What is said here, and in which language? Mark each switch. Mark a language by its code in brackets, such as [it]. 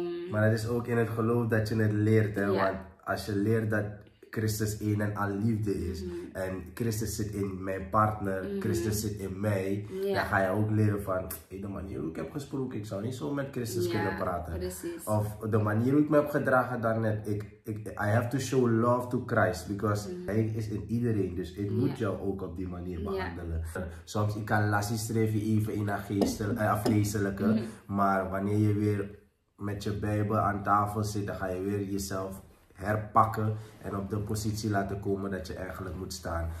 [nl] Maar het is ook in het geloof dat je het leert. Hè? Ja. Want als je leert dat Christus één en al liefde is. Mm-hmm. En Christus zit in mijn partner. Mm-hmm. Christus zit in mij. Yeah. Dan ga je ook leren van, de manier hoe ik heb gesproken, ik zou niet zo met Christus kunnen praten. Precies. Of de manier hoe ik me heb gedragen daarnet. [en] I have to show love to Christ. [nl] Because Hij is in iedereen. Dus ik moet jou ook op die manier behandelen. Yeah. Soms, ik kan lassies streven even in haar geestelijke. Mm-hmm. Maar wanneer je weer met je Bijbel aan tafel zit, dan ga je weer jezelf herpakken en op de positie laten komen dat je eigenlijk moet staan.